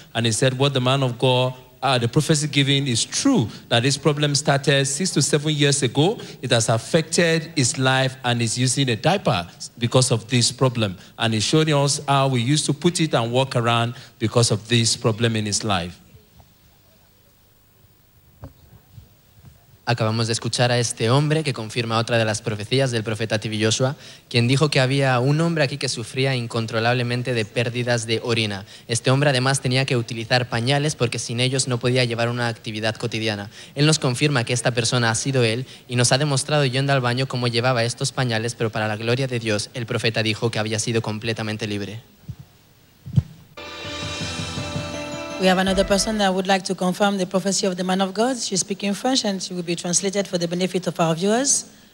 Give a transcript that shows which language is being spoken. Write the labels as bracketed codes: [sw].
[en] And he said what the man of God, the prophecy given is true, that this problem started 6 to 7 years ago. It has affected his life and he's using a diaper because of this problem. And he's showing us how we used to put it and walk around because of this problem in his life. [es] Acabamos de escuchar a este hombre que confirma otra de las profecías del profeta TB Joshua, quien dijo que había un hombre aquí que sufría incontrolablemente de pérdidas de orina. Este hombre además tenía que utilizar pañales porque sin ellos no podía llevar una actividad cotidiana. Él nos confirma que esta persona ha sido él y nos ha demostrado yendo al baño cómo llevaba estos pañales, pero para la gloria de Dios, el profeta dijo que había sido completamente libre. [en] We have another person that would like to confirm the prophecy of the man of God. She's speaking French and she will be translated for the benefit of our viewers.